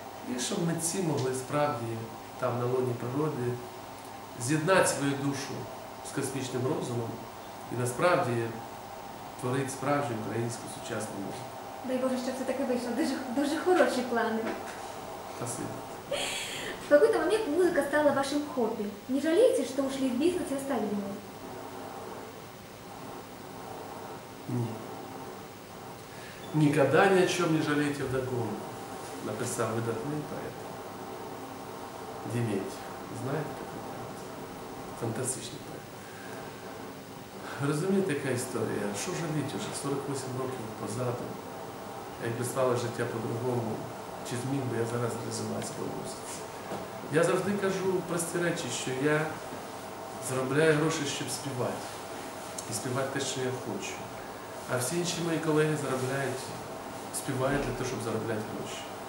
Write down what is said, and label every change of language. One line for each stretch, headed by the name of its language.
Ukrainian: І щоб митці могли справді там на лоні природи з'єднати свою душу з космічним розумом і насправді творити справжню українську сучасну музику. Дай Боже, щоб це так і вийшло. Дуже, дуже хороші плани.
Russian: Спасибо.
Ukrainian: В якийсь момент музика стала вашим хобі. Не жалієте, що
Russian: ушли
Ukrainian: в бізнес і
Russian: оставили
Ukrainian: його? Ні.
Russian: «Никогда ни о чем не жалейте вдогонку», — написал выдатный поэт Деметьев. Знаете такой поэт? Фантастичный поэт. Разумеете, какая история? Что жалеть уже 48
Ukrainian: років позаду? Якби стало життя по-другому, чи зміг би я зараз реалізуватися повністю? Я завжди кажу прості речі, що я заробляю гроші, щоб співати. І співати те, що я хочу. А всі інші мої колеги заробляють, співають для того, щоб заробляти гроші.